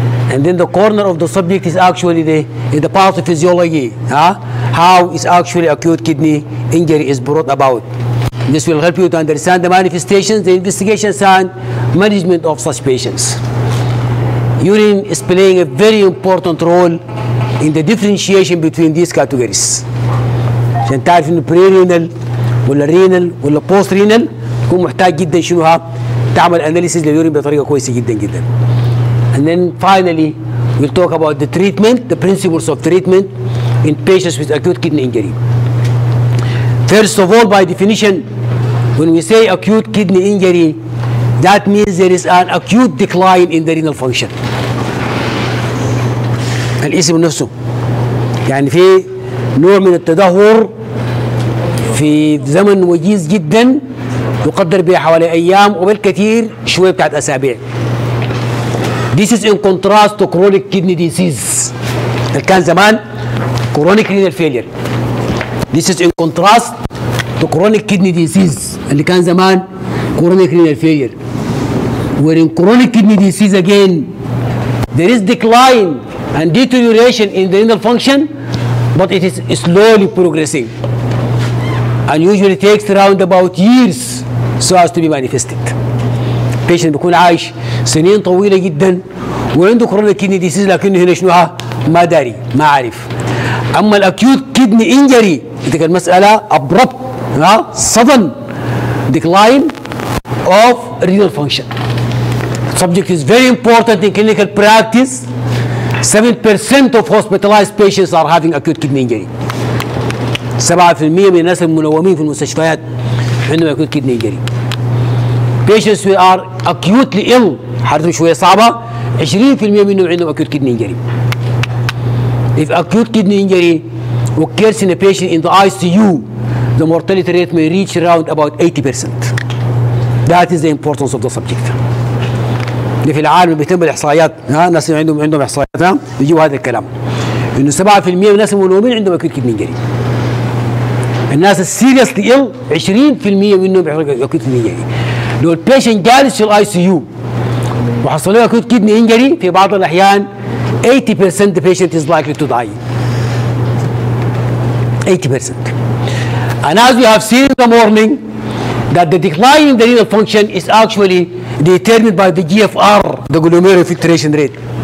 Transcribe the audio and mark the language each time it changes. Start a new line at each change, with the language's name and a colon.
English: And then the corner of the subject is actually the part of physiology, how is actually acute kidney injury is brought about. This will help you to understand the manifestations, the investigations, and management of such patients. Urine is playing a very important role in the differentiation between these categories.
Arabic: عشان تعرف انه بري رينال ولا رينال ولا بوست رينال تكون محتاج جدا شنوها تعمل اناليسيز لليورين بطريقه كويسه جدا جدا.
English: And then finally we'll talk about the treatment, the principles of treatment in patients with acute kidney injury. First of all, by definition, when we say acute kidney injury, that means there is an acute decline in the renal function.
Arabic: الاسم نفسه يعني في نوع من التدهور في زمن وجيز جدا يقدر به حوالي ايام وبالكثير شويه بتاعت اسابيع.
English: This is in contrast to chronic kidney disease.
Arabic: كان زمان
English: chronic renal failure. This is in contrast to chronic kidney disease.
Arabic: اللي كان زمان
English: chronic renal failure. Where in chronic kidney disease again, there is decline and deterioration in the renal function, but it is slowly progressing. And usually takes around about years so as to be manifested.
Arabic: Patient بيكون عايش سنين طويلة جدا وعنده chronic kidney disease لكنه هنا شنوها؟ ما داري، ما عارف. أما الأكيوت كيدني إنجري، تلك المسألة
English: abrupt sudden decline of renal function. Subject is very important in clinical practice. 7% of hospitalized patients are having acute kidney injury.
Arabic: 7% من الناس المنومين في المستشفيات عندهم acute kidney injury.
English: Patients who are acutely ill,
Arabic: حالتهم شوية صعبة,
English: 20%
Arabic: منهم عندهم
English: acute kidney injury. If acute kidney injury occurs in a patient in the ICU, the mortality rate may reach around about 80%. That is the importance of the subject.
Arabic: اللي في العالم بيتم بالاحصائيات, الناس اللي عندهم احصائيات بيجيبوا هذا الكلام انه 7% من الناس المنومين عندهم acute kidney injury. الناس السيريسلي ill 20% منهم بيحصلوا acute kidney injury. لو البيشنت جالس في الاي سي يو وحصل له acute kidney injury, في بعض الاحيان 80%
English: the patient is likely to die.
Arabic: 80%.
English: And as we have seen in the morning that the decline in the renal function is actually determined by the GFR, the glomerular filtration rate.